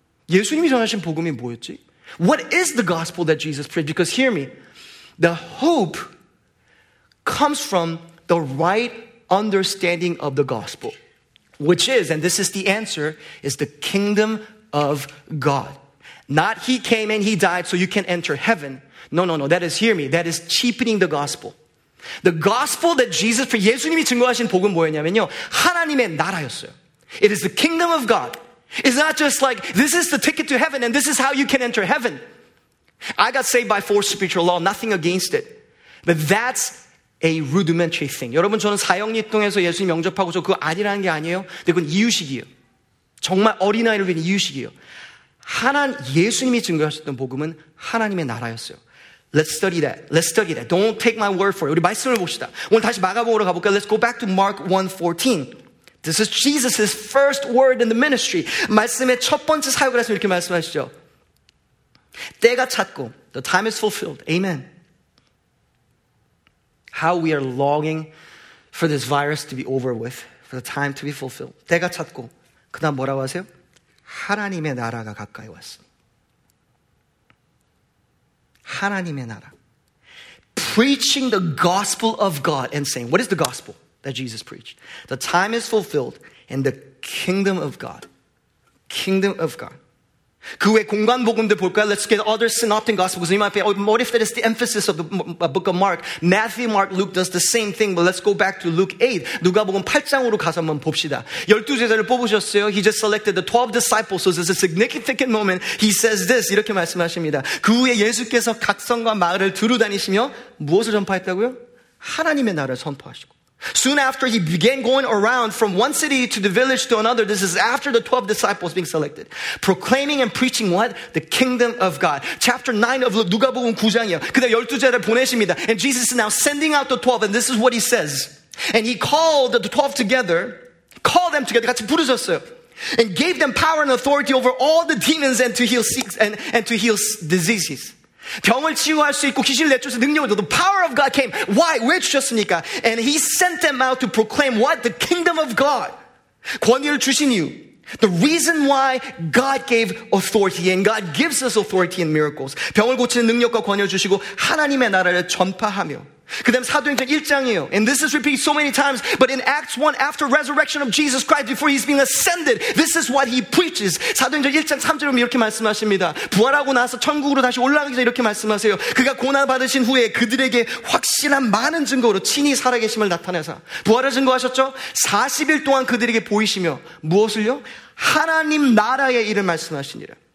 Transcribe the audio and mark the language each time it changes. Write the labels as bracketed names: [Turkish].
[Korean] 예수님이 전하신 복음이 뭐였지? [English] What is the gospel that Jesus preached? Because hear me, the hope comes from the right understanding of the gospel, which is, and this is the answer, is the kingdom of God. Not he came and he died so you can enter heaven. No, no, no. That is, hear me, that is cheapening the gospel. The gospel that Jesus, [Korean] 예수님이 증거하신 복음 뭐였냐면요. 하나님의 나라였어요. [English] It is the kingdom of God. It's not just like, this is the ticket to heaven and this is how you can enter heaven. I got saved by force spiritual law, nothing against it. But that's a rudimentary thing. [Korean] 여러분 저는 사형리 통해서 예수님 영접하고 저 그거 아니라는 게 아니에요. 근데 그건 이유식이에요. 정말 어린아이를 위한 이유식이에요. 예수님이 증거하셨던 복음은 하나님의 나라였어요. [English] Let's study that. Let's study that. Don't take my word for it. [Korean] 우리 말씀을 봅시다. 오늘 다시 마가복음으로 가볼까요? [English] Let's go back to Mark 1:14. This is Jesus' first word in the ministry. [Korean] 말씀의 첫 번째 사역을 하시면 이렇게 말씀하시죠. 때가 찼고, [English] the time is fulfilled. Amen. How we are longing for this virus to be over with, for the time to be fulfilled. [Korean] 때가 찼고, 그 다음 뭐라고 하세요? 하나님의 나라가 가까이 왔습니다. 하나님의 나라. [English] Preaching the gospel of God and saying, what is the gospel? that Jesus preached. The time is fulfilled in the kingdom of God. Kingdom of God. [Korean] 그 외 공간 복음도 볼까요? [English] Let's get other synoptic gospels in my face. What if that is the emphasis of the book of Mark? Matthew, Mark, Luke does the same thing, but let's go back to Luke 8. [Korean] 누가복음 8장으로 가서 한번 봅시다. 12 제자를 뽑으셨어요. [English] He just selected the 12 disciples. So this is a significant moment. He says this, [Korean] 이렇게 말씀하십니다. 그 후에 예수께서 각 성과 마을을 두루 다니시며 무엇을 전파했다고요? 하나님의 나라를 선포하시고. [English] Soon after he began going around from one city to the village to another, this is after the 12 disciples being selected, proclaiming and preaching what? The kingdom of God. Chapter 9 of Luke, [Korean] 누가복음 9장이요. 그다음 열두 제자를 보내십니다. [English] And Jesus is now sending out the 12, and this is what he says. And he called the 12 together, called them together, [Korean] 같이 부르셨어요. [English] And gave them power and authority over all the demons and to heal sick and to heal diseases. [Korean] 병을 치유할 수 있고 귀신을 내쫓을 능력을 줘도 [English] the power of God came. Why? [Korean] 왜 주셨습니까? [English] And he sent them out to proclaim what? The kingdom of God. [Korean] 권위를 주신 이유. [English] The reason why God gave authority and God gives us authority in miracles. [Korean] 병을 고치는 능력과 권위를 주시고 하나님의 나라를 전파하며. 그 다음 사도행전 1장이요. [English] And this is repeated so many times, but in Acts 1, after resurrection of Jesus Christ, before he's been ascended, this is what he preaches. [Korean] 사도행전 1장 3절에 이렇게 말씀하십니다. 부활하고 나서 천국으로 다시 올라가기 전에 이렇게 말씀하세요. 그가 고난받으신 후에 그들에게 확실한 많은 증거로 친히 살아계심을 나타내사. 부활을 증거하셨죠? 40일 동안 그들에게 보이시며, 무엇을요? 하나님 나라의 일을 말씀하시니라.